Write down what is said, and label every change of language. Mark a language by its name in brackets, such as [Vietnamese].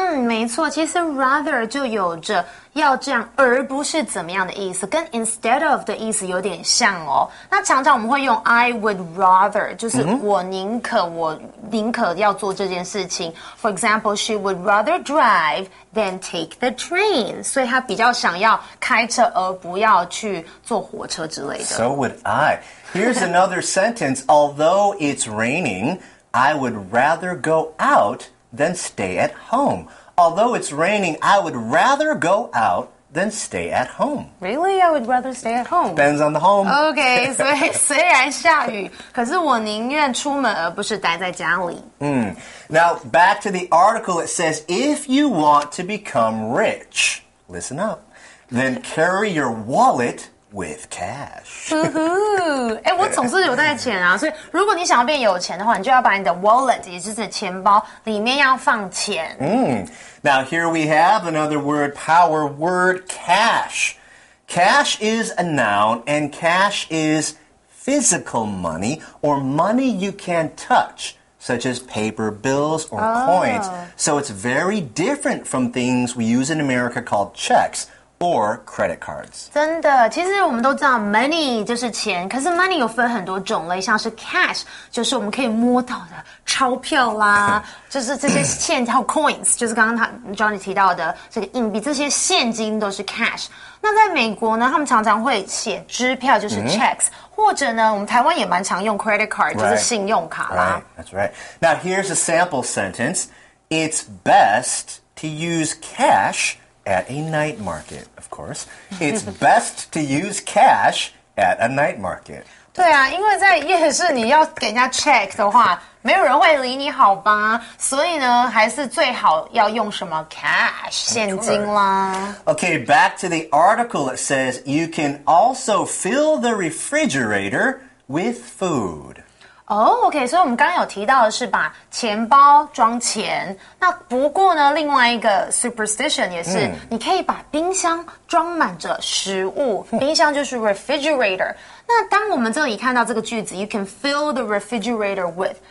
[Chinese] 没错，其实 rather 就有着要这样而不是怎么样的意思，跟 [English] instead of [Chinese] 的意思有点像哦。那常常我们会用 [English] I would rather, [Chinese] 就是我宁可要做这件事情。 [English] For example, she would rather drive than take the train. [Chinese] 所以她比较想要开车而不要去坐火车之类的。 [English] So would I. Here's another sentence. Although it's raining, I would rather go out than stay at home. Although it's raining, I would rather go out. Then stay at home. Really? I would rather stay at home. Depends on the home. Okay, so [Chinese] 虽然下雨，可是我宁愿出门而不是待在家里。 [English] Now, back to the article, it says, if you want to become rich, listen up, then carry your wallet with cash. [Chinese] 欸，我总是有带钱啊，所以如果你想要变有钱的话，你就要把你的 wallet， 也就是钱包里面要放钱。 [English] Now here we have another word, power word, cash. Cash is a noun, and cash is physical money or money you can touch. Such as paper bills or coins. So it's very different from things we use in America called checks or credit cards. [Chinese] 真的，其实我们都知道 money 就是钱，可是 money 有分很多种类，像是 cash 就是我们可以摸到的钞票啦，就是这些现金，还有 coins 就是刚刚他 Johnny 提到的这个硬币，这些现金都是 cash。那在美国呢，他们常常会写支票，就是 checks，或者呢，我们台湾也蛮常用 credit card， 就是信用卡啦。 [English] That's right. Now here's a sample sentence. It's best to use cash at a night market. Of course, it's best to use cash at a night market. [Chinese] 对啊，因为在夜市你要给人家 check 的话，没有人会理你好吧？所以呢，还是最好要用什么 cash 现金啦。 [English] Okay, back to the article. It says you can also fill the refrigerator with food. Okay. [Chinese] 所以我们刚刚有提到的是把钱包装钱。那不过呢，另外一个 superstition 也是你可以把冰箱装满着食物。冰箱就是 refrigerator。那当我们这里看到这个句子 ， [English] you can fill the refrigerator with。